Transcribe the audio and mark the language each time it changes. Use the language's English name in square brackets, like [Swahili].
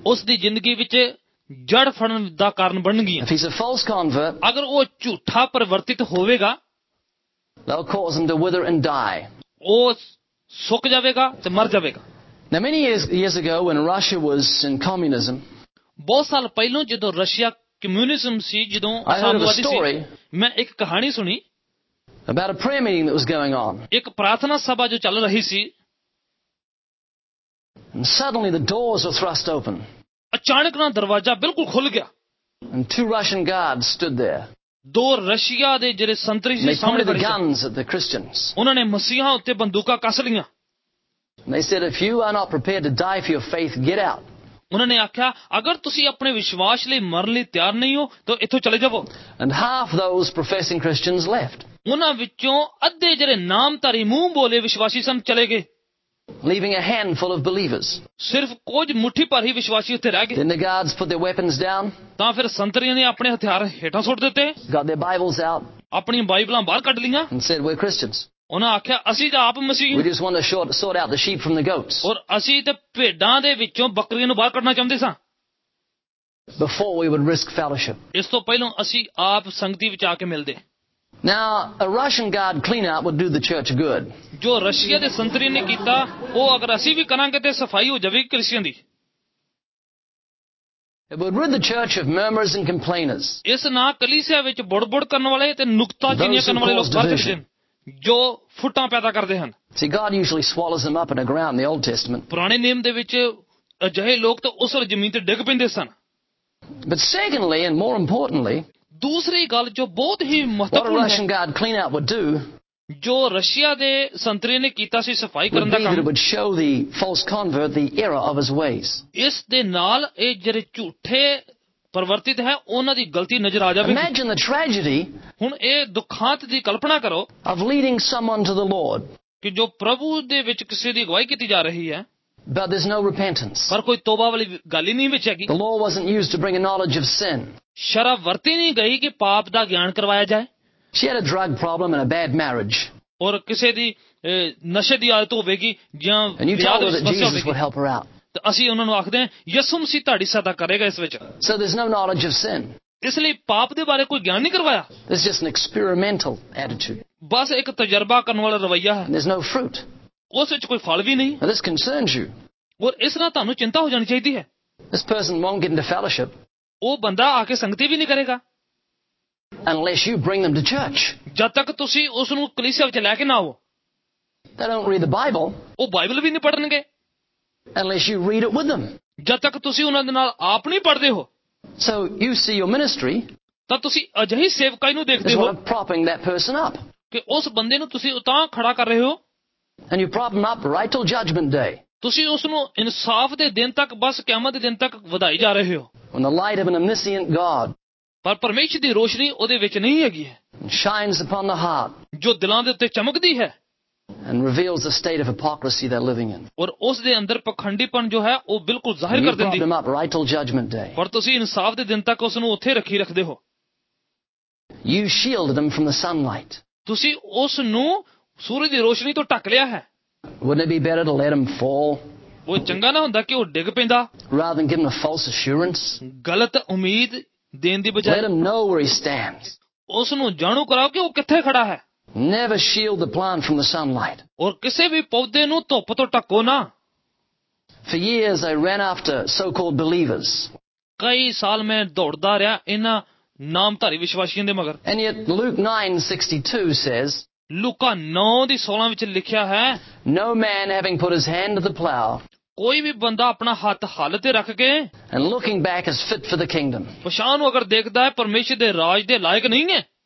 [Punjabi] ਉਸ ਦੀ ਜ਼ਿੰਦਗੀ ਵਿੱਚ ਜੜ ਫੜਨ ਦਾ ਕਾਰਨ ਬਣਨਗੀਆਂ. [English] If he's a false convert, [Punjabi] ਅਗਰ ਉਹ ਝੂਠਾ ਪਰਿਵਰਤਿਤ ਹੋਵੇਗਾ, [English] that will cause him to wither and die, [Punjabi] ਉਹ ਸੁੱਕ ਜਾਵੇਗਾ ਤੇ ਮਰ ਜਾਵੇਗਾ. [English] Now many years ago when Russia was in communism, [Punjabi] ਬਹੁਤ ਸਾਲ ਪਹਿਲਾਂ ਜਦੋਂ ਰਸ਼ੀਆ ਕਮਿਊਨਿਜ਼ਮ ਸੀ, ਜਦੋਂ ਸਾਮਰਾਜਵਾਦੀ ਸੀ, ਮੈਂ ਇੱਕ ਕਹਾਣੀ ਸੁਣੀ. [English] About a prayer meeting that was going on. [Punjabi] ਇੱਕ ਪ੍ਰਾਰਥਨਾ ਸਭਾ ਜੋ ਚੱਲ ਰਹੀ ਸੀ. [English] And suddenly the doors were thrust open. [Punjabi] ਅਚਾਨਕ ਨਾ ਦਰਵਾਜ਼ਾ ਬਿਲਕੁਲ ਖੁੱਲ ਗਿਆ. [English] And two Russian guards stood there. [Punjabi] ਦੋ ਰਸ਼ੀਆ ਦੇ ਜਿਹੜੇ ਸੰਤਰੀ ਸੀ ਸਾਹਮਣੇ ਖੜੇ ਸੀ. [English] They pointed the guns at the Christians. [Punjabi] ਉਹਨਾਂ ਨੇ ਮਸੀਹਾਂ ਉੱਤੇ ਬੰਦੂਕਾਂ ਕੱਸ ਲਈਆਂ. [English] They said, if you are not prepared to die for your faith, get out. [Punjabi] ਉਹਨਾਂ ਨੇ ਆਖਿਆ, ਅਗਰ ਤੁਸੀਂ ਆਪਣੇ ਵਿਸ਼ਵਾਸ ਲਈ ਮਰਨ ਲਈ ਤਿਆਰ ਨਹੀਂ ਹੋ ਤਾਂ ਇੱਥੋਂ ਚਲੇ ਜਾਵੋ. [English] And half those professing Christians left. [Punjabi] ਉਹਨਾਂ ਵਿੱਚੋਂ ਅੱਧੇ ਜਿਹੜੇ ਨਾਮਧਾਰੀ ਮੂੰਹ ਬੋਲੇ ਵਿਸ਼ਵਾਸੀ ਸਨ ਚਲੇ ਗਏ. [English] Leaving a handful of believers. [Punjabi] ਸਿਰਫ ਕੁਝ ਮੁੱਠੀ ਭਰ ਹੀ ਵਿਸ਼ਵਾਸੀ ਉੱਥੇ ਰਹਿ ਗਏ. [English] The guards put their weapons down. [Punjabi] ਤਾਂ ਫਿਰ ਸੰਤਰੀਆਂ ਨੇ ਆਪਣੇ ਹਥਿਆਰ ਹੇਠਾਂ ਸੁੱਟ ਦਿੱਤੇ. [English] Got their Bibles out. [Punjabi] ਆਪਣੀਆਂ ਬਾਈਬਲਾਂ ਬਾਹਰ ਕੱਢ ਲਈਆਂ. [English] And said, we're Christians. [Punjabi] ਉਹਨਾਂ ਆਖਿਆ, ਅਸੀਂ ਤਾਂ ਆਪ ਮਸੀਹ. [English] We just want to sort out the sheep from the goats. [Punjabi] ਔਰ ਅਸੀਂ ਤਾਂ ਭੇਡਾਂ ਦੇ ਵਿੱਚੋਂ ਬੱਕਰੀਆਂ ਨੂੰ ਬਾਹਰ ਕੱਢਣਾ ਚਾਹੁੰਦੇ ਸਾਂ. [English] Before we would risk fellowship. [Punjabi] ਇਸ ਤੋਂ ਪਹਿਲਾਂ ਅਸੀਂ ਆਪ ਸੰਗਤੀ ਵਿੱਚ ਆ ਕੇ ਮਿਲਦੇ. [English] Now a Russian guard clean up would do the church good. [Punjabi] ਜੋ ਰਸ਼ੀਆ ਦੇ ਸੰਤਰੀ ਨੇ ਕੀਤਾ ਉਹ ਅਗਰ ਅਸੀਂ ਵੀ ਕਰਾਂਗੇ ਤੇ ਸਫਾਈ ਹੋ ਜਾਵੇਗੀ Christian ਦੀ. [English] It would rid the church of murmurers and complainers. [Punjabi] ਇਸ ਨਾਲ ਕਲੀਸਿਆ ਵਿੱਚ ਬੜਬੜ ਕਰਨ ਵਾਲੇ ਤੇ ਨੁਕਤਾਚੀਆਂ ਕਰਨ ਵਾਲੇ ਲੋਕ ਬਾਹਰ ਕੱਢ ਦੇਣ, ਜੋ ਫੁੱਟਾਂ ਪੈਦਾ ਕਰਦੇ ਹਨ. [English] See, God usually swallows them up in a ground in the Old Testament. [Punjabi] ਪੁਰਾਣੇ ਨਿਯਮ ਦੇ ਵਿੱਚ ਅਜਿਹੇ ਲੋਕ ਤਾਂ ਉਸਰ ਜ਼ਮੀਨ ਤੇ ਡਿੱਗ ਪੈਂਦੇ ਸਨ. [English] But secondly and more importantly, [Punjabi] ਦੂਸਰੀ ਗੱਲ ਜੋ ਬਹੁਤ ਹੀ ਮਹੱਤਵਪੂਰਨ ਹੈ, [English] what a Russian guard clean up would do, [Punjabi] ਜੋ ਰਸ਼ੀਆ ਦੇ ਸੰਤਰੀ ਨੇ ਕੀਤਾ ਸੀ ਸਫਾਈ ਕਰਨ ਦਾ ਕੰਮ, [English] show the false convert the error of his ways. [Punjabi] ਇਸ ਦੇ ਨਾਲ ਇਹ ਜਿਹੜੇ ਝੂਠੇ ਪਰਿਵਰਤਿਤ ਹੈ ਉਹਨਾਂ ਦੀ ਗਲਤੀ ਨਜ਼ਰ ਆ ਜਾਵੇ. [English] Imagine the tragedy. [Punjabi] ਹੁਣ ਇਹ ਦੁਖਾਂਤ ਦੀ ਕਲਪਨਾ ਕਰੋ. [English] Of leading someone to the Lord. [Punjabi] ਕਿ ਜੋ ਪ੍ਰਭੂ ਦੇ ਵਿੱਚ ਕਿਸੇ ਦੀ ਅਗਵਾਈ ਕੀਤੀ ਜਾ ਰਹੀ ਹੈ. [English] But there's no repentance. [Punjabi] ਪਰ ਕੋਈ ਤੋਬਾ ਵਾਲੀ ਗੱਲ ਹੀ ਨਹੀਂ ਵਿੱਚ ਹੈਗੀ. [English] The law wasn't used to bring a knowledge of sin. [Punjabi] ਸ਼ਰਾਬ ਵਰਤੀ ਨਹੀਂ ਗਈ ਕਿ ਪਾਪ ਦਾ ਗਿਆਨ ਕਰਵਾਇਆ ਜਾਏ. [English] She had a drug problem and a bad marriage. [Punjabi] ਔਰ ਕਿਸੇ ਦੀ ਨਸ਼ੇ ਦੀ ਆਦਤ ਹੋਵੇਗੀ ਜਾਂ [English] And you tell her that Jesus will help her out. [Punjabi] ਅਸੀਂ ਉਹਨਾਂ ਨੂੰ ਆਖਦੇ ਹਾਂ ਯਸੂ ਮਸੀਹ ਤੁਹਾਡੀ ਸਹਾਇਤਾ ਕਰੇਗਾ ਇਸ ਵਿੱਚ. [English] So there's no knowledge of sin. [Punjabi] ਇਸ ਲਈ ਪਾਪ ਦੇ ਬਾਰੇ ਕੋਈ ਗਿਆਨ ਨਹੀਂ ਕਰਵਾਇਆ. [English] It's just an experimental attitude. [Punjabi] ਬਸ ਇੱਕ ਤਜਰਬਾ ਕਰਨ ਵਾਲਾ ਰਵੱਈਆ ਹੈ. [English] There's no fruit. [Punjabi] ਉਸ ਵਿੱਚ ਕੋਈ ਫਲ ਵੀ ਨਹੀਂ. [English] Now this concerns you. [Punjabi] ਔਰ ਇਸ ਨਾਲ ਤੁਹਾਨੂੰ ਚਿੰਤਾ ਹੋ ਜਾਣੀ ਚਾਹੀਦੀ ਹੈ. [English] This person won't get into fellowship. [Punjabi] ਉਹ ਬੰਦਾ ਆ ਕੇ ਸੰਗਤੀ ਵੀ ਨਹੀਂ ਕਰੇਗਾ. [English] Unless you bring them to church. [Punjabi] ਜਦ ਤੱਕ ਤੁਸੀਂ ਉਸ ਨੂੰ ਕਲੀਸਿਆ ਵਿੱਚ ਲੈ ਕੇ ਨਾ ਆਓ. [English] They don't read the Bible. [Punjabi] ਉਹ ਬਾਈਬਲ ਵੀ ਨਹੀਂ ਪੜਨਗੇ. [English] Unless you read it with them. [Punjabi] ਜਦ ਤੱਕ ਤੁਸੀਂ ਉਹਨਾਂ ਦੇ ਨਾਲ ਆਪ ਨਹੀਂ ਪੜਦੇ ਹੋ. [English] So you see your ministry. [Punjabi] ਤਾਂ ਤੁਸੀਂ ਅਜਿਹੀ ਸੇਵਕਾਈ ਨੂੰ ਦੇਖਦੇ ਹੋ. [English] You're propping that person up. [Punjabi] ਕਿ ਉਸ ਬੰਦੇ ਨੂੰ ਤੁਸੀਂ ਉਤਾਂ ਖੜਾ ਕਰ ਰਹੇ ਹੋ. [English] And you prop him up right till judgment day. [Punjabi] ਤੁਸੀਂ ਉਸ ਨੂੰ ਇਨਸਾਫ ਦੇ ਦਿਨ ਤੱਕ ਬਸ ਕਿਆਮਤ ਦੇ ਦਿਨ ਤੱਕ ਵਧਾਈ ਜਾ ਰਹੇ ਹੋ. [English] When the light of an omniscient God. [Punjabi] ਪਰ ਪਰਮੇਸ਼ਰ ਦੀ ਰੋਸ਼ਨੀ ਉਹਦੇ ਵਿੱਚ ਨਹੀਂ ਹੈਗੀ ਹੈ. [English] Shines upon the heart. [Punjabi] ਜੋ ਦਿਲਾਂ ਦੇ ਉੱਤੇ ਚਮਕਦੀ ਹੈ. [English] And reveals the state of hypocrisy they're living in. [Punjabi] ਔਰ ਉਸ ਦੇ ਅੰਦਰ ਪਖੰਡੀਪਨ ਜੋ ਹੈ ਉਹ ਬਿਲਕੁਲ ਜ਼ਾਹਿਰ ਕਰ ਦਿੰਦੀ ਹੈ. [English] Right till judgment day. [Punjabi] ਪਰ ਤੁਸੀਂ ਇਨਸਾਫ ਦੇ ਦਿਨ ਤੱਕ ਉਸ ਨੂੰ ਉੱਥੇ ਰੱਖੀ ਰੱਖਦੇ ਹੋ. [English] You shield them from the sunlight. [Punjabi] ਤੁਸੀਂ ਉਸ ਨੂੰ ਸੂਰਜ ਦੀ ਰੋਸ਼ਨੀ ਤੋਂ ਢੱਕ ਲਿਆ ਹੈ. [English] Wouldn't it be better to let him fall? [Punjabi] ਉਹ ਚੰਗਾ ਨਾ ਹੁੰਦਾ ਕਿ ਉਹ ਡਿੱਗ ਪੈਂਦਾ. [English] Rather than give him a false assurance. [Punjabi] ਗਲਤ ਉਮੀਦ ਦੇਣ ਦੀ ਬਜਾਏ. [English] Let him know where he stands. [Punjabi] ਉਸ ਨੂੰ ਜਾਣੂ ਕਰਾਓ ਕਿ ਉਹ ਕਿੱਥੇ ਖੜਾ ਹੈ. [English] Never shield the plant from the sunlight. [Punjabi] ਔਰ ਕਿਸੇ ਵੀ ਪੌਦੇ ਨੂੰ ਧੁੱਪ ਤੋਂ ਟੱਕੋ ਨਾ. [English] For years I ran after so-called believers. [Punjabi] ਕਈ ਸਾਲ ਮੈਂ ਦੌੜਦਾ ਰਿਹਾ ਇਹਨਾਂ ਨਾਮਧਾਰੀ ਵਿਸ਼ਵਾਸੀਆਂ ਦੇ ਮਗਰ. [English] And yet Luke 9:62 says. [Punjabi] ਲੂਕਾ 9 ਦੀ 16 ਵਿੱਚ ਲਿਖਿਆ ਹੈ. [English] No man having put his hand to the plow. [Punjabi] ਕੋਈ ਵੀ ਬੰਦਾ ਆਪਣਾ ਹੱਥ ਹੱਲ ਤੇ ਰੱਖ ਕੇ. [English] And looking back is fit for the kingdom. [Punjabi] ਪਛਾਣ ਨੂੰ ਅਗਰ ਦੇਖਦਾ ਹੈ ਪਰਮੇਸ਼ਰ ਦੇ ਰਾਜ ਦੇ ਲਾਇਕ ਨਹੀਂ ਹੈ.